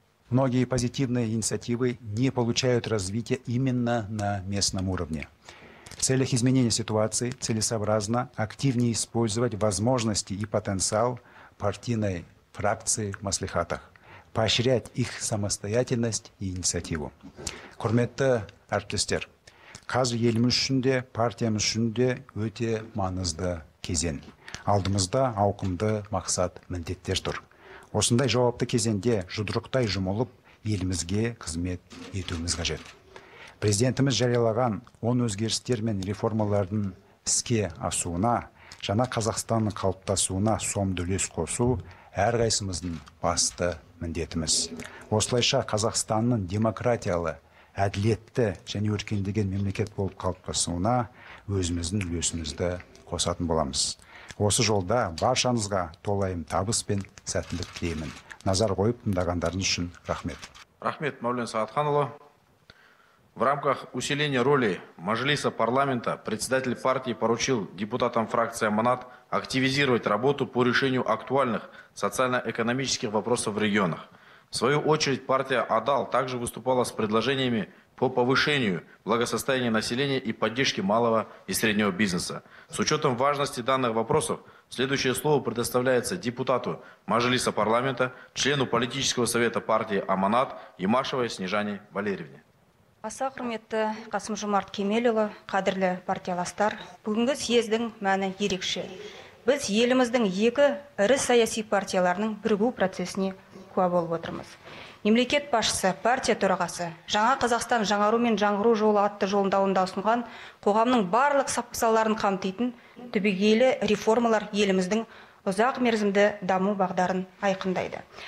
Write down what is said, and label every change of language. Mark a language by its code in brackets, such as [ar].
[ru] Многие позитивные инициативы не получают развития именно на местном уровне. В целях изменения ситуации целесообразно активнее использовать возможности и потенциал партийной фракции в маслихатах, поощрять их самостоятельность и инициативу. [kk] Құрметті әріптестер, қазір еліміз үшін де, партиямыз үшін де өте маңызды кезең. Алдымызда ауқымды мақсат міндеттер тұр. Осындай жауапты кезеңде жұдырықтай жұмылып, елімізге қызмет етуіміз қажет. Президентіміз жариялаған оң өзгерістер мен реформалардың іске асуына, жаңа Қазақстанның қалыптасуына сомды үлес қосу әрқайсымыздың басты міндетіміз. Осылайша Қазақстанның демократиялы, әділетті және өркендеген мемлекет болып қалыптасуына өзіміздің үлесімізді қосатын боламыз. Осы жолда баршаңызға толайым табыс пен сәттілік тілеймін. Назар қойып тыңдағандарыңыз үшін рахмет. Рахмет, Мәулен Сағатханұлы. [ru] В рамках усиления роли Мажилиса парламента председатель партии поручил депутатам фракции «Аманат» активизировать работу по решению актуальных социально-экономических вопросов в регионах. В свою очередь партия «Адал» также выступала с предложениями по повышению благосостояния населения и поддержке малого и среднего бизнеса. С учетом важности данных вопросов, следующее слово предоставляется депутату Мажилиса парламента, члену политического совета партии «Аманат» Имашевой Снежане Валерьевне. [kk] Аса құрметті Қасым-Жомарт Кемелұлы, қадірлі партияластар, бүгінгі съездің мәні ерекше. Біз еліміздің екі ірі саяси партияларының бірігу процесіне куә болып отырмыз. Мемлекет басшысы, партия төрағасы, жаңа Қазақстан жаңару мен жаңғыру жолы атты жолында ұсынған қоғамның барлық сапаларын қамтитын түбегейлі реформалар еліміздің ұзақ мерзімді даму бағдарын айқындайды.